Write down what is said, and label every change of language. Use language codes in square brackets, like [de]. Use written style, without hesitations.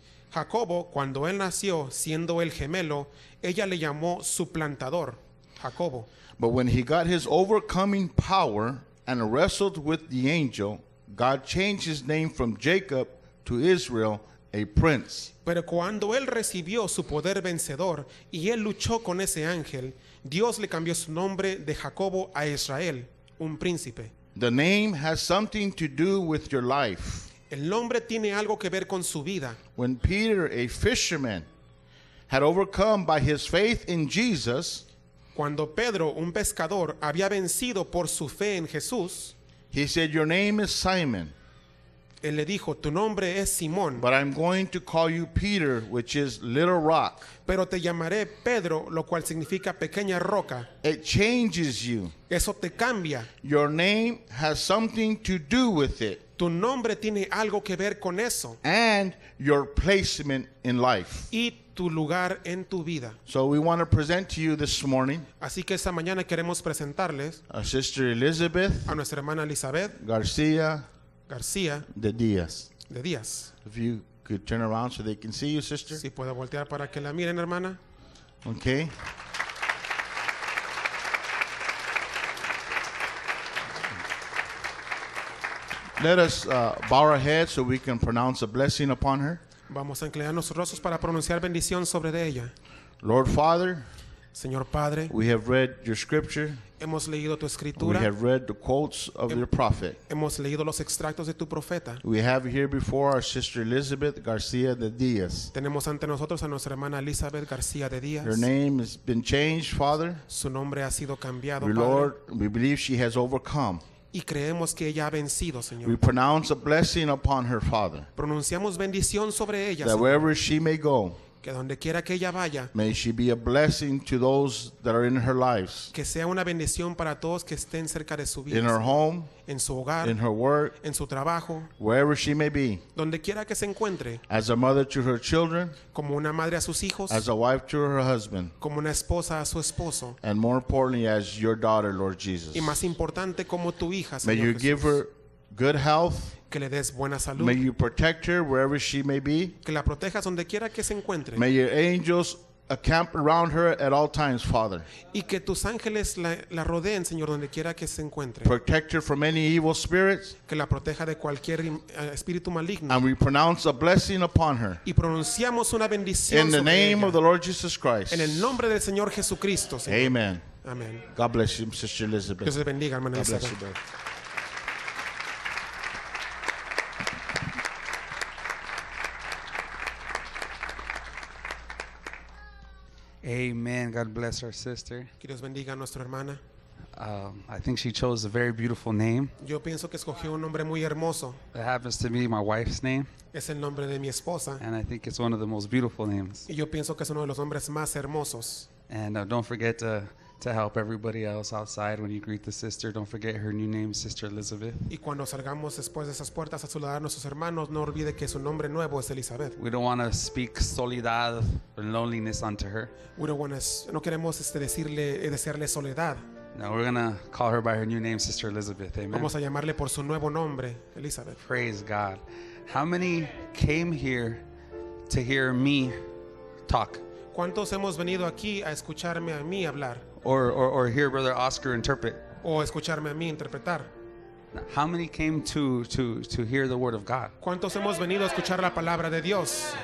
[es] Jacobo, cuando él nació, siendo el gemelo, ella le llamó suplantador, Jacobo. [en] But when he got his overcoming power and wrestled with the angel, God changed his name from Jacob to Israel, a prince. [es] Pero cuando él recibió su poder vencedor y él luchó con ese ángel, Dios le cambió su nombre de Jacobo a Israel, un príncipe. [en] The name has something to do with your life. [es] El nombre tiene algo que ver con su vida. [en] When Peter, a fisherman, had overcome by his faith in Jesus, [es] cuando Pedro, un pescador, había vencido por su fe en Jesús, [en] he said, "Your name is Simon." [es] Él le dijo, "Tu nombre es Simón." [en] "But I'm going to call you Peter, which is little rock." [es] Pero te llamaré Pedro, lo cual significa pequeña roca. [en] It changes you. [es] Eso te cambia. [en] Your name has something to do with it. [es] Tu nombre tiene algo que ver con eso. [en] And your placement in life. [es] Y tu lugar en tu vida. [en] So we want to present to you this morning. [es] Así que esta mañana queremos presentarles [en] a Sister Elizabeth, [es] a nuestra hermana Elizabeth García, García de Díaz. De Díaz. [en] If you could turn around so they can see you, sister. [es] Si puedo voltear para que la miren, hermana. [en] Okay. Let us bow our heads so we can pronounce a blessing upon her. [es] Vamos a inclinar nuestros rostros para pronunciar bendición sobre de ella. [en] Lord Father, [es] Señor Padre, [en] we have read your scripture. [es] Hemos leído tu escritura. [en] We have read the quotes of your prophet. [es] Hemos leído los extractos de tu profeta. [en] We have here before our sister Elizabeth García de Díaz. [es] Tenemos ante nosotros a nuestra hermana Elizabeth García de Díaz. [en] Her name has been changed, Father. [es] Su nombre ha sido cambiado, [en] Padre. Lord, we believe she has overcome. [es] Y creemos que ella ha vencido, Señor. [en] We pronounce a blessing upon her, Father. [es] Pronunciamos bendición sobre ella. [en] That wherever she may go, [es] que donde quiera que ella vaya, [en] may she be a blessing to those that are in her lives. [es] Que sea una bendición para todos que estén cerca de su vida. [en] In her home, [es] en su hogar, [en] in her work, [es] en su trabajo, [en] wherever she may be, [es] donde quiera que se encuentre, [en] as a mother to her children, [es] como una madre a sus hijos, [en] as a wife to her husband, [es] como una esposa a su esposo, [en] and more importantly, as your daughter, Lord Jesus. [es] Y más importante, como tu hija, Señor [en] Jesús. May you give her good health. [es] Que le des buena salud. [en] May you protect her wherever she may be. [es] Que la protejas donde quiera que se encuentre. [en] May your angels camp around her at all times, Father. [es] Y que tus ángeles la rodeen, Señor, donde quiera que se encuentre. [en] Protect her from any evil spirits. [es] Que la proteja de cualquier espíritu maligno. [en] And we pronounce a blessing upon her. [es] Y pronunciamos una bendición sobre [en] In the name of the Lord Jesus Christ. [es] En el nombre del Señor Jesucristo, Señor. [en] Amen. [es] Amen. [en] God bless you, Sister Elizabeth. [es] Que se bendiga, hermana Elizabeth. [en] God bless you, brother. Amen. God bless our sister. [es] Que Dios bendiga a nuestra hermana. [en] I think she chose a very beautiful name. [es] Yo pienso que escogió un nombre muy hermoso. [en] It happens to be my wife's name. [es] Es el nombre de mi esposa. [en] And I think it's one of the most beautiful names. [es] Y yo pienso que es uno de los nombres más hermosos. [en] And don't forget to help everybody else outside when you greet the sister. Don't forget her new name, Sister Elizabeth. [es] Y cuando salgamos después de esas puertas a saludar a nuestros hermanos, no olvide que su nombre nuevo es Elizabeth. [en] We don't want to speak soledad or loneliness unto her. We don't want to. [es] No queremos decirle desearle soledad. [en] No, we're gonna call her by her new name, Sister Elizabeth. Amen. [es] Vamos a llamarle por su nuevo nombre, Elizabeth. [en] Praise God. How many came here to hear me talk? [es] ¿Cuántos hemos venido aquí a escucharme a mí hablar? [en] Or hear Brother Oscar interpret. [es] O escucharme a mí interpretar. [en] How many came to hear the word of God? [es] ¿Cuántos hemos venido a escuchar la palabra de Dios?